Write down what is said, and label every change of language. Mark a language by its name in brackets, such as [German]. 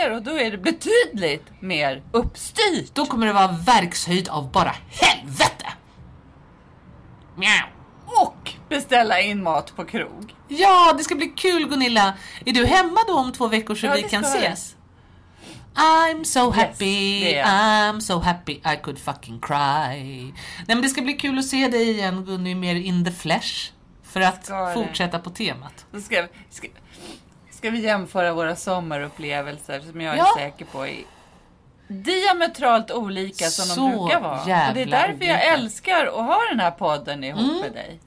[Swedish] Ja. Och då är det betydligt mer uppstyrt. Då kommer det vara verkshöjd av bara helvete. Och beställa in mat på krog. Ja, det ska bli kul, Gunilla. Är du hemma då om två veckor så vi kan ses? [English] I'm so happy, I'm so happy I could fucking cry. [Swedish] Nej, men det ska bli kul att se dig igen, Gunny, mer [English] in the flesh. [Swedish] För att fortsätta på temat. Ska vi jämföra våra sommarupplevelser, som jag är säker på i diametralt olika som så de brukar vara. Och det är därför jag älskar att ha den här podden ihop med dig.